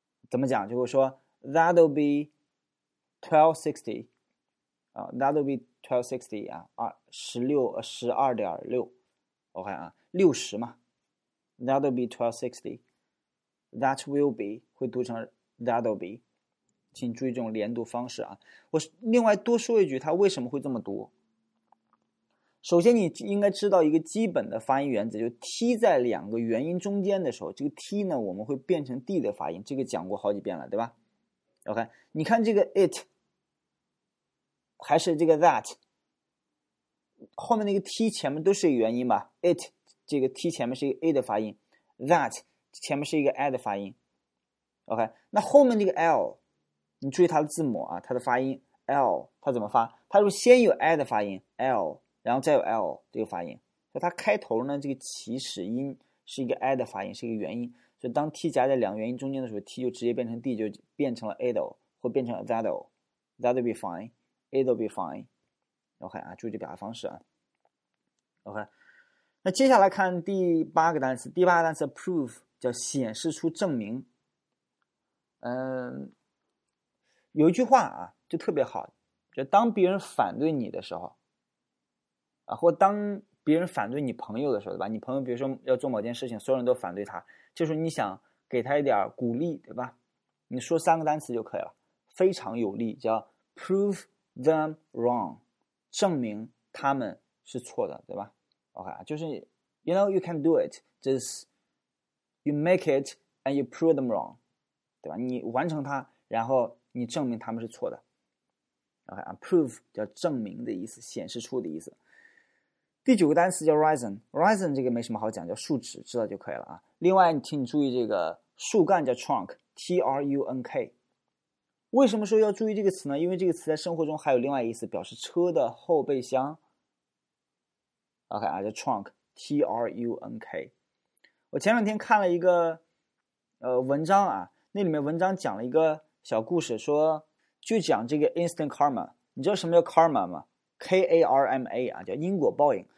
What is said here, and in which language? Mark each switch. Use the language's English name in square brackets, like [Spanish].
[Chinese] 怎么讲？就会说 [English] that'll be twelve sixty [Chinese] 啊， [English] that'll be twelve sixty [Chinese] 啊，12.6 OK 啊，60嘛， [English] that'll be twelve sixty。 That will be [Chinese] 会读成 [English] that'll be， [Chinese] 请注意这种连读方式啊。我另外多说一句，它为什么会这么读？首先，你应该知道一个基本的发音原则，就 t 在两个元音中间的时候，这个 t 呢，我们会变成 d 的发音，这个讲过好几遍了，对吧？OK，你看这个 it 还是这个 that，后面那个 t 前面都是一个元音吧？it 这个 t 前面是一个 a 的发音，that。前面是一个 i 的发音，OK，那后面这个 l，你注意它的字母啊，它的发音 l，它怎么发？它是先有 i 的发音 l，然后再有 l 这个发音，所以它开头呢，这个起始音是一个 i 的发音，是一个元音，所以当 t 夹在两个元音中间的时候，t 就直接变成 d，就变成了 ado，会变成 [English] that'll, that'll be fine, it'll be fine. [Chinese] OK 啊，注意这表达方式啊。OK, 那接下来看第八个单词，第八个单词 prove 叫显示出证明。有一句话啊，就特别好，就当别人反对你的时候，啊，或当别人反对你朋友的时候，对吧？你朋友比如说要做某件事情，所有人都反对他，就是你想给他一点鼓励，对吧？你说三个单词就可以了，非常有力，叫 [English] prove them wrong, [Chinese] 证明他们是错的，对吧 ？OK, 就是 [English] you know you can do it, just you make it and you prove them wrong, [Chinese] 对吧？你完成它，然后你证明他们是错的。OK, prove 叫证明的意思，显示出的意思。第九个单词叫 horizon, 这个没什么好讲，叫树脂，知道就可以了啊。另外，请你注意这个树干叫 trunk, T-R-U-N-K。为什么说要注意这个词呢？因为这个词在生活中还有另外一个意思，表示车的后备箱。 OK 啊，叫 trunk, T-R-U-N-K。我前两天看了一个文章啊，那里面文章讲了一个小故事，说就讲这个 [English] instant karma。 [Chinese] 你知道什么叫 karma 吗？K-A-R-M-A 啊，叫因果报应。